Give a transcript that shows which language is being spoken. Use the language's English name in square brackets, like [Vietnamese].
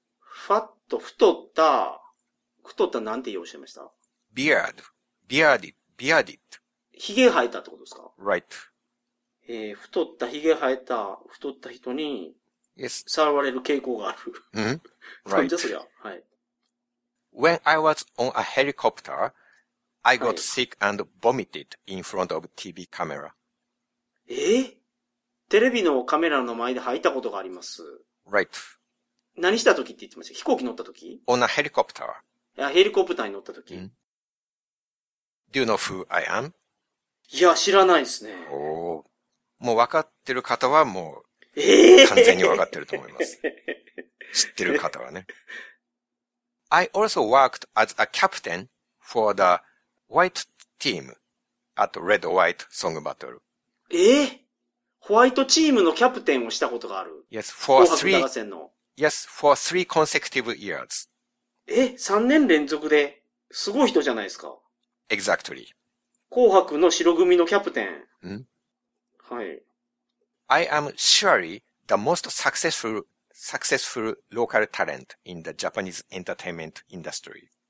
[Japanese] ファット、太った、なんて言おうしてました [English] ?beard, bearded, bearded. [Japanese] ヒゲ生えたってことですか [English] ?right. [Japanese] 太った人に、 [English] yes. [Japanese] さらわれる傾向がある。 [English] うん。right. [Japanese] なんじゃそりゃ。はい。 [English] When I was on a helicopter, I got、はい、sick and vomited in front of TV camera. [Japanese] テレビのカメラの前で吐いたことがあります。 [English] Right. [Japanese] 何した時って言ってました。飛行機乗った時 [English] ?On a helicopter. [Japanese] いや、ヘリコプターに乗った時。 Mm. [English] Do you know who I am? [Japanese] いや、知らないですね。おお、もう分かってる方はもう、完全に分かってると思います。知ってる方はね。 [English] I also worked as a captain for the white team at Red White Song Battle. [Japanese] ホワイトチームのキャプテンをしたことがある。 [English] Yes, for [Japanese] 紅白歌合戦の。 [English] Yes, for three consecutive years. [Japanese] 3年連続で、すごい人じゃないですか。 [English] Exactly. [Japanese] 紅白の白組のキャプテン。ん？はい。 [English] I am surely the most successful local talent in the Japanese entertainment industry.